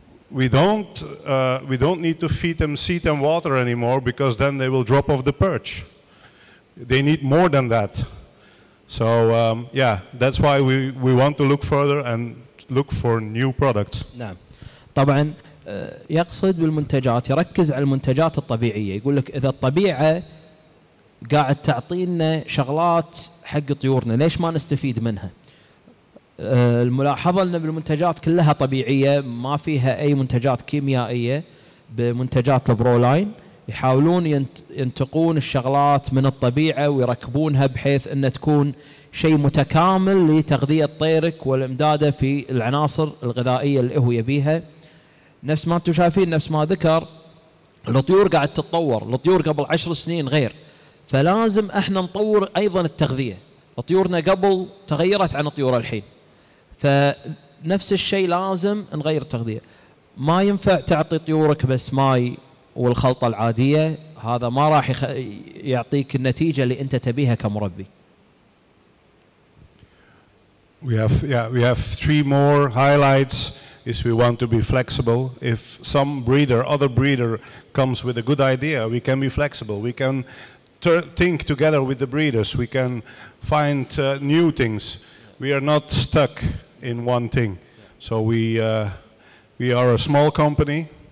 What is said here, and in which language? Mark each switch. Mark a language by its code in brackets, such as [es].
[en] We don't need to feed them, seed them, water anymore, because then they will drop off the perch. They need more than that. So yeah, that's why we want to look further and look for new products. [ar] نعم طبعا يقصد بالمنتجات يركز على المنتجات الطبيعيه يقول لك اذا الطبيعه قاعد تعطينا شغلات حق طيورنا ليش ما نستفيد منها الملاحظه ان بالمنتجات كلها طبيعيه ما فيها اي منتجات كيميائيه بمنتجات البرولاين يحاولون ينتقون الشغلات من الطبيعه ويركبونها بحيث ان تكون شيء متكامل لتغذيه طيرك والامداده في العناصر الغذائيه اللي هو يبيها نفس ما انتم شايفين نفس ما ذكر الطيور قاعد تتطور الطيور قبل 10 سنين غير فلازم احنا نطور ايضا التغذيه طيورنا قبل تغيرت عن الطيور الحين فنفس الشيء لازم نغير التغذيه ما ينفع تعطي طيورك بس ماي والخلطه العاديه هذا ما راح يعطيك النتيجه اللي انت تبيها كمربي [en] We have three more highlights is we want to be flexible if some breeder other breeder comes with a good idea we can be flexible we can think together with the breeders we can find new things we are not stuck in one thing so we are a small company